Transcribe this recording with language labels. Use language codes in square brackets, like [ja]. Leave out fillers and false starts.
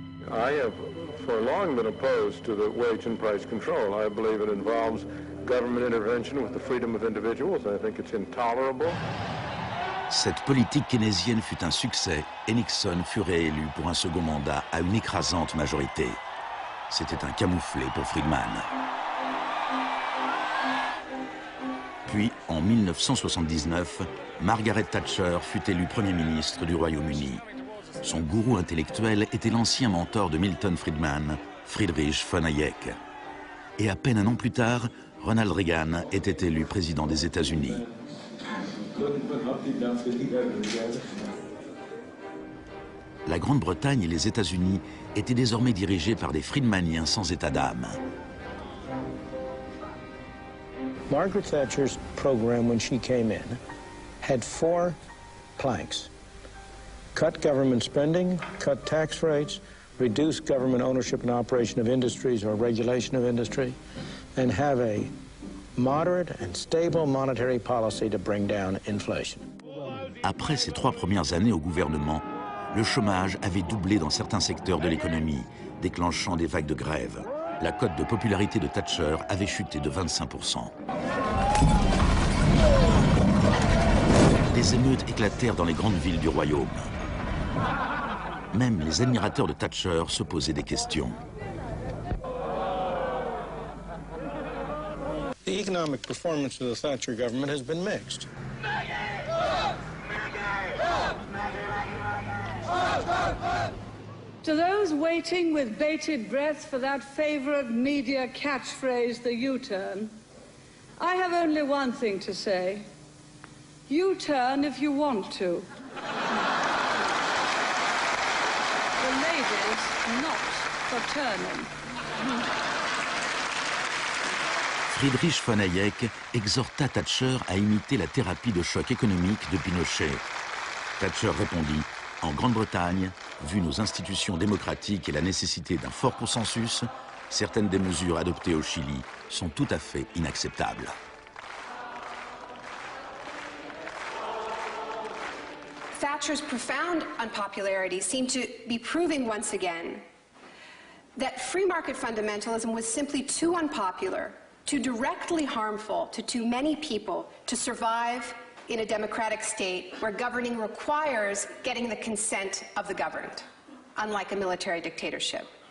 [en] I have for long been opposed to the wage and price control. I believe it involves government intervention with the freedom of individuals. I think it's intolerable. [fr] Cette politique keynésienne fut un succès et Nixon fut réélu pour un second mandat à une écrasante majorité. C'était un camouflet pour Friedman. Puis, en 1979, Margaret Thatcher fut élue Premier ministre du Royaume-Uni. Son gourou intellectuel était l'ancien mentor de Milton Friedman, Friedrich von Hayek. Et à peine un an plus tard, Ronald Reagan était élu président des États-Unis. La Grande-Bretagne et les États-Unis étaient désormais dirigés par des Friedmaniens sans état d'âme. [en] Margaret Thatcher's program when she came in had four planks: cut government spending, cut tax rates, reduce government ownership and operation of industries or regulation of industry, and have a moderate and stable monetary policy to bring down inflation. [fr] Après ses trois premières années au gouvernement, le chômage avait doublé dans certains secteurs de l'économie, déclenchant des vagues de grève. La cote de popularité de Thatcher avait chuté de 25%. Des émeutes éclatèrent dans les grandes villes du royaume. Même les admirateurs de Thatcher se posaient des questions. [en] The economic performance of the Thatcher government has been mixed. To those waiting with bated breath for that favorite media catchphrase, the U-turn, I have only one thing to say. U-turn if you want to. The ladies, not for turning. [fr] Friedrich von Hayek exhorta Thatcher à imiter la thérapie de choc économique de Pinochet. Thatcher répondit: en Grande-Bretagne, vu nos institutions démocratiques et la nécessité d'un fort consensus, certaines des mesures adoptées au Chili sont tout à fait inacceptables. [en] Thatcher's profound unpopularity seemed to be proving once again that free market fundamentalism was simply too unpopular, too directly harmful to too many people to survive in a democratic state where governing requires getting the consent of the governed, unlike a military dictatorship.